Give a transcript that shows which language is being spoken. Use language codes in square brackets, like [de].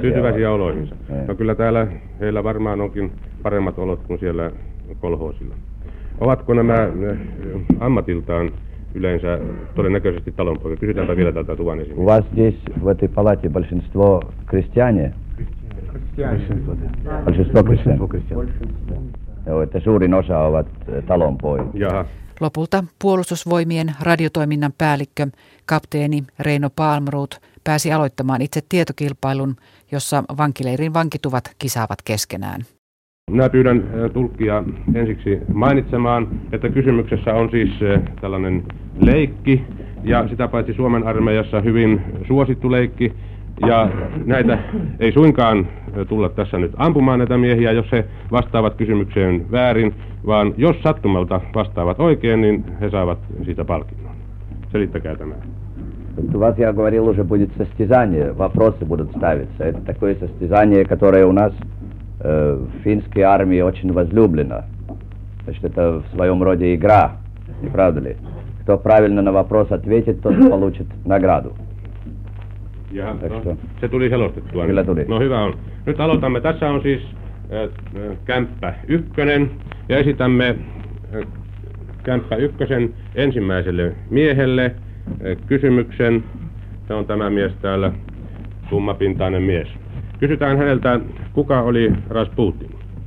[fi] Tyytyväisiä oloihinsa. No kyllä täällä heillä varmaan onkin paremmat olot kuin siellä kolhoosilla. Ovatko nämä ammatiltaan yleensä todennäköisesti talonpoika? Kysytäänpä vielä tältä tuvan esimerkiksi. [ru] У вас здесь в этой палате большинство крестьяне? Большинство крестьян. [fi] Joo, että suurin osa ovat talonpoika. Jaha. Lopulta puolustusvoimien radiotoiminnan päällikkö, kapteeni Reino Palmroth, pääsi aloittamaan itse tietokilpailun, jossa vankileirin vankituvat kisaavat keskenään. Minä pyydän tulkkia ensiksi mainitsemaan, että kysymyksessä on siis tällainen leikki, ja sitä paitsi Suomen armeijassa hyvin suosittu leikki, ja näitä ei suinkaan tulla tässä nyt ampumaan näitä miehiä, jos he vastaavat kysymykseen väärin, vaan jos sattumalta vastaavat oikein, niin he saavat siitä palkinnon. Selittäkää tämä. [ru] У вас, я говорил, уже будет состязание, вопросы будут ставиться. Это такое состязание, которое у нас в финской армии очень возлюблено. Значит, это в своем роде игра, не правда ли? Кто правильно на вопрос ответит, тот получит награду. [fi] Se tuli selostettua. Kyllä tuli. No hyvä on. Nyt aloitamme. Tässä on siis kämppä ykkönen ja esitämme kämppä ykkösen ensimmäiselle miehelle kysymyksen. Se on tämä mies täällä, tummapintainen mies. Kysytään häneltä, kuka oli Rasputin?